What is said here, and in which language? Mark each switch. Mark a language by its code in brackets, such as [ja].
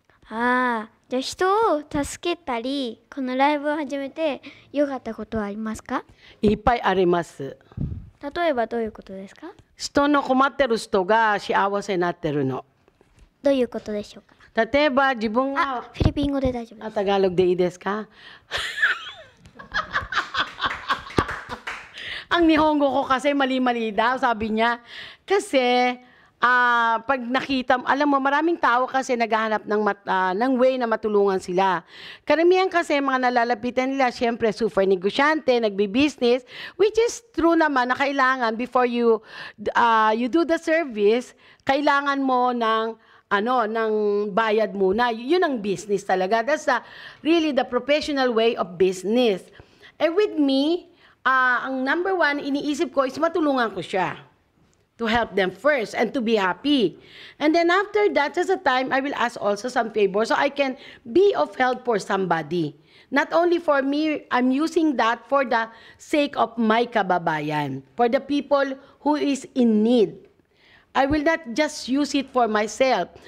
[ja] じゃあ人を助けたり、このライブを始めて良かったことはありますか? いっぱいあります。例えばどういうことですか? 人の困ってる人が幸せになってるの。どういうことでしょうか? 例えば自分が… フィリピン語で大丈夫です。タガログでいいですか? [tl] Ang Nihongo ko kasi mali-mali daw, sabi niya. Kasi, pag nakita, alam mo, maraming tao kasi naghahanap ng way na matulungan sila. Karamihan kasi, mga nalalapitan nila, siyempre, super negosyante, nagbi-business, [en] which is true naman [tl] na kailangan, [en] before you do the service, [tl] kailangan mo ng, ng bayad muna. Yun ang business talaga. [en] That's really the professional way of business. And with me, [tl] ang number one, iniisip ko is matulungan ko siya. [en] To help them first and to be happy. And then after that, just a time, I will ask also some favor so I can be of help for somebody. Not only for me, I'm using that for the sake of my kababayan. For the people who is in need. I will not just use it for myself.